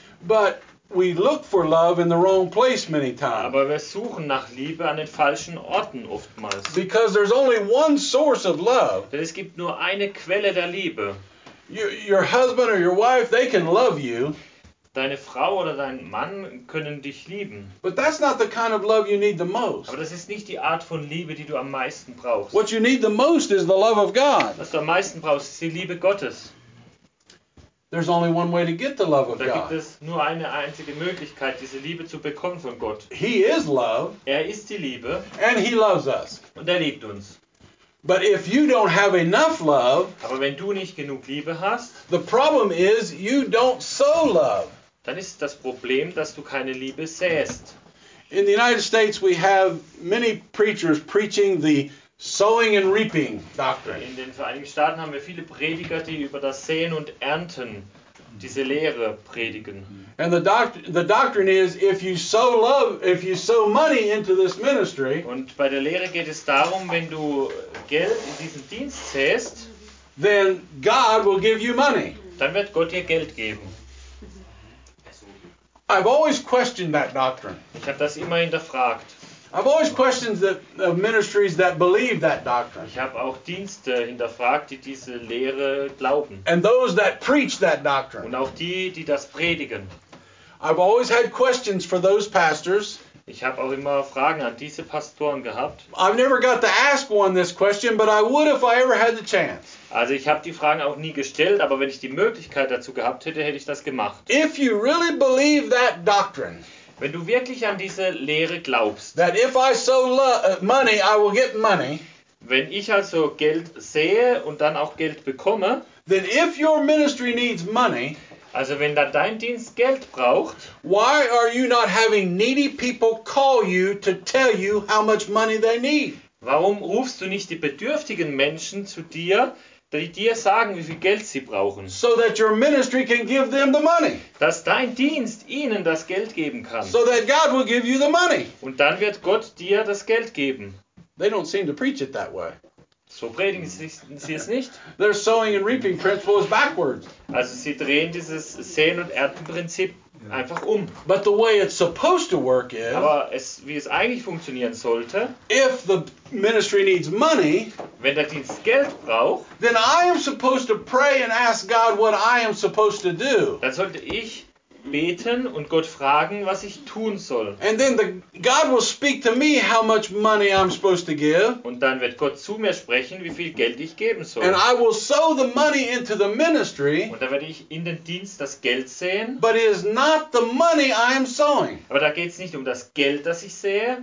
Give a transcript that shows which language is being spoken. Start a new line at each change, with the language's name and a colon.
English: But we look for love in the wrong place many times.
German: Aber wir suchen nach Liebe an den falschen Orten oftmals.
English: Because there's only one source of love.
German: Denn es gibt nur eine Quelle der Liebe.
English: Your husband or your wife, they can love you.
German: Deine Frau oder dein Mann können dich lieben.
English: But that's not the kind of love you need the most.
German: Aber das ist nicht die Art von Liebe, die du am meisten brauchst.
English: What you need the most is the love of God.
German: Was du am meisten brauchst, ist die Liebe Gottes.
English: There's only one way to get the love of
German: God. Da gibt es nur eine einzige Möglichkeit, diese Liebe zu bekommen von Gott.
English: He is love.
German: Er ist die Liebe.
English: And he loves us.
German: Und er liebt uns.
English: But if you don't have enough love,
German: aber wenn du nicht genug Liebe hast,
English: the problem is you don't sow love.
German: Dann ist das Problem, dass du keine Liebe säst.
English: In the United States we have many preachers preaching the sowing and reaping doctrine.
German: In den Vereinigten Staaten haben wir viele Prediger, die über das Säen und Ernten diese Lehre predigen.
English: And the doctrine is, if you sow love, if you sow money into this ministry.
German: Und bei der Lehre geht es darum, wenn du Geld in diesen Dienst säst,
English: then God will give you money.
German: Dann wird Gott dir Geld geben.
English: I've always questioned that doctrine.
German: Ich habe das immer hinterfragt.
English: I've always questioned the ministries that believe that doctrine.
German: Ich habe auch Dienste hinterfragt, die diese Lehre glauben.
English: And those that preach that doctrine.
German: Und auch die, die das predigen.
English: I've always had questions for those pastors.
German: Ich habe auch immer Fragen an diese Pastoren gehabt.
English: I've never got to ask one this question, but I would if I ever had the chance.
German: Also ich habe die Fragen auch nie gestellt, aber wenn ich die Möglichkeit dazu gehabt hätte, hätte ich das gemacht.
English: If you really believe that doctrine.
German: Wenn du wirklich an diese Lehre glaubst,
English: that if I sow money, I will get money,
German: wenn ich also Geld sähe und dann auch Geld bekomme,
English: then if your ministry needs money,
German: also wenn dann dein Dienst Geld braucht,
English: why are you not having needy people call you to tell you how much money they need?
German: Warum rufst du nicht die bedürftigen Menschen zu dir, die dir sagen, wie viel Geld sie brauchen.
English: So that your ministry can give them the money.
German: Dass dein Dienst ihnen das Geld geben kann.
English: So that God will give you the money.
German: Und dann wird Gott dir das Geld geben.
English: They don't seem to preach it that way.
German: So predigen sie es nicht.
English: Their sowing and reaping principle is backwards.
German: Also sie drehen dieses Säen- und Ernten-Prinzip einfach um.
English: But the way it's supposed to work is,
German: aber es, wie es eigentlich funktionieren sollte,
English: if the ministry needs money,
German: wenn der Dienst Geld braucht,
English: then I am supposed to pray and ask God what I am supposed to do.
German: Dann sollte ich beten und Gott fragen, was ich tun soll.
English: And then God will speak to me how much money I'm supposed to give.
German: Und dann wird Gott zu mir sprechen, wie viel Geld ich geben soll.
English: And I will sow the money into the ministry.
German: Und dann werde ich in den Dienst das Geld säen.
English: But it is not the money I am sowing.
German: Aber da geht's nicht um das Geld, das ich sähe.